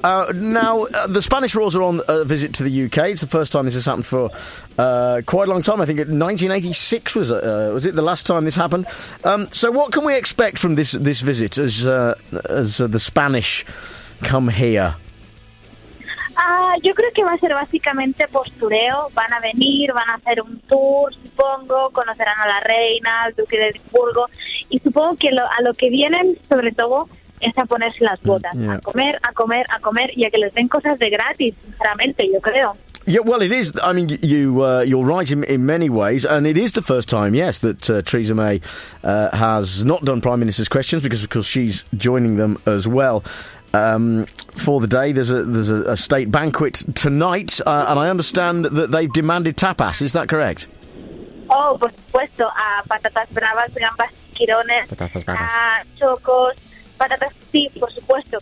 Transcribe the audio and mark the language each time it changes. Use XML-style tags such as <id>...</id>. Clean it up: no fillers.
<en>Now, the Spanish royals are on a visit to the UK. It's the first time this has happened for quite a long time. I think 1986 was it the last time this happened? So what can we expect from this visit as the Spanish come here?</en> <es>Yo creo que va a ser básicamente postureo. Van a venir, van a hacer un tour, supongo. Conocerán a la reina, al duque de Edimburgo. Y supongo que a lo que vienen, sobre todo, es a ponerse las botas. Yeah. A comer, y a que les den cosas de gratis, sinceramente, yo creo.</es> <en>Yeah, well, it is. I mean, you're right in many ways, and it is the first time, yes, that Theresa May has not done Prime Minister's questions, because, of course, she's joining them as well. For the day, there's a state banquet tonight, and I understand that they've demanded tapas. Is that correct?</en> <es>Oh, por supuesto. Patatas bravas, gambas, chiquirones, chocos, patatas, sí, por supuesto.</es>